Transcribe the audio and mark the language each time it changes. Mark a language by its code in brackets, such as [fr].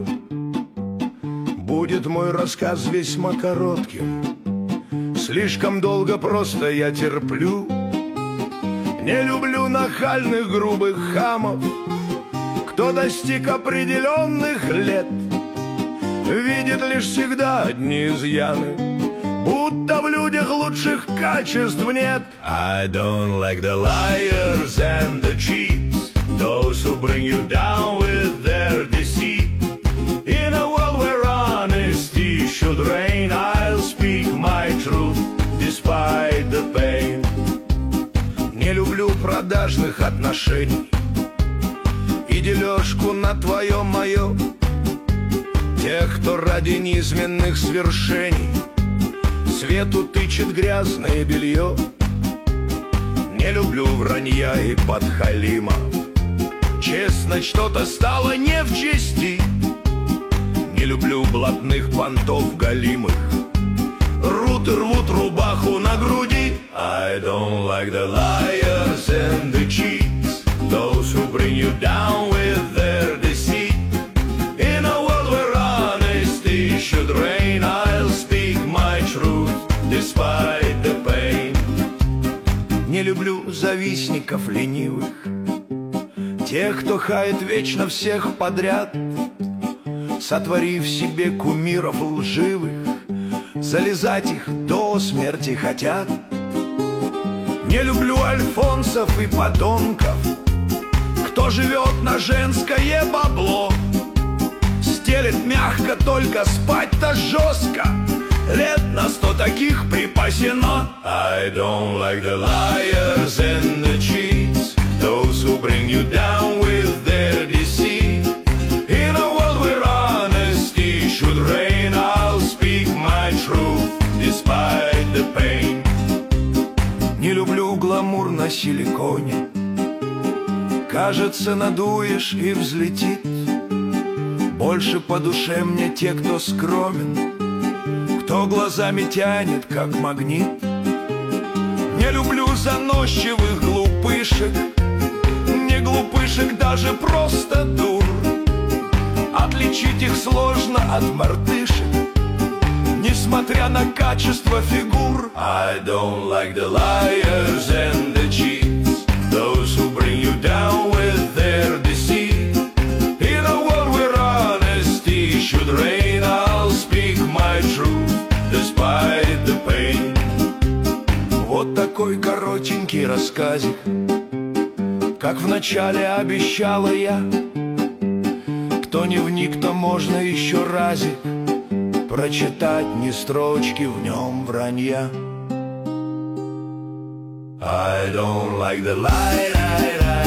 [ru] Будет мой рассказ весьма коротким, слишком долго просто я терплю. Не люблю нахальных грубых хамов, кто достиг определенных лет, видит лишь всегда одни изъяны, будто в людях лучших качеств нет. [en] I don't like the liars and the cheats, those who bring you down with their deceit. In a world where honesty should reign, I'll speak my truth despite the pain. [ru] Не люблю продажных отношений и дележку на твое мое. Тех, кто ради низменных свершений свету тычет грязное белье. Не люблю вранья и подхалима. Честно, что-то стало не в чести. Не люблю блатных понтов галимых. Рут рвут рубаху на груди. [en] I don't like the liars and the cheats, those who bring you down with their deceit. In a world where honesty should reign, I'll speak my truth despite the pain. [ru] Не люблю завистников ленивых, тех, кто хает вечно всех подряд. Сотворив себе кумиров лживых, залезать их до смерти хотят. Не люблю альфонсов и подонков, кто живет на женское бабло. Стелет мягко, только спать-то жестко. Лет на сто таких припасено. [en] I don't like the liars and the cheats, those who bring you down with their deceit. In a world where honesty should reign, I'll speak my truth despite the pain. [ru] Не люблю гламур на силиконе, кажется, надуешь и взлетит. Больше по душе мне те, кто скромен, кто глазами тянет, как магнит. Не люблю заносчивых глупышек, не глупышек, даже просто дур. Отличить их сложно от мартышек, несмотря на качество фигур. [en] I don't like the liars and the cheats, those who bring you down with their deceit. In a world where honesty should reign, I'll speak my truth despite the pain. [ru] Вот такой коротенький рассказик, как вначале обещала я. Кто не вник, то можно еще разик прочитать, ни строчки в нем вранья. [en] I don't like the lie.